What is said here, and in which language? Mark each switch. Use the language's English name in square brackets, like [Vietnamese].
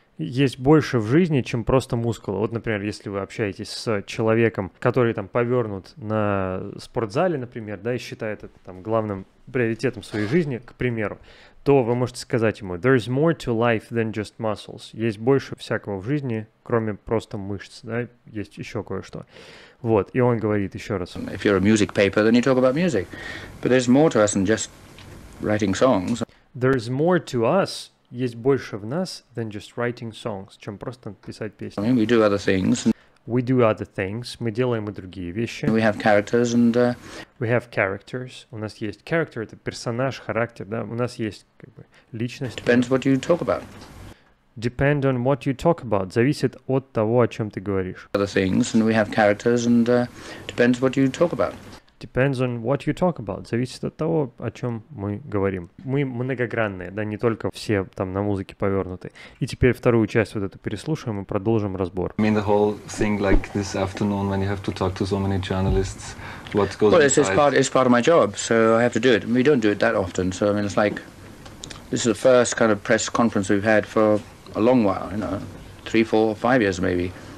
[Russian] Есть больше в жизни, чем просто мускулы. Вот, например, если вы общаетесь с человеком, который там повернут на спортзале, например, да, и считает это там главным приоритетом своей жизни, к примеру, то вы можете сказать ему: [English] there's more to life than just muscles. [Russian] Есть больше всякого в жизни, кроме просто мышц, да, есть еще кое-что. Вот, и он говорит еще раз: [English] if you're a music paper, then you talk about music. But there's more to us than just writing songs. There's more to us. [Russian] Есть больше в нас, [English] than just writing songs, [Russian] чем просто писать песни. [English] I mean, we do other things. [Russian] We do other things. Мы делаем и другие вещи. [English] We have characters and... We have characters. [Russian] У нас есть character, это персонаж, характер, да? У нас есть как бы личность. [English] Depends what you talk about. Depend on what you talk about. [Russian] Зависит от того, о чем ты говоришь. [English] Other things and we have characters and depends what you talk about. Depends on what you talk about. [Russian] Зависит от того, о чем мы говорим. Мы многогранные, да, не только все там на музыке повернуты. И теперь вторую часть вот эту переслушаем и продолжим разбор. [English] I mean the whole thing like this afternoon when you have to talk to so many journalists, what goes... Well, it's part of my job, so I have to do it. We don't do it that often, so I mean it's like this is the first kind of press conference we've had for a long while, you know, 3, 4, 5 years maybe.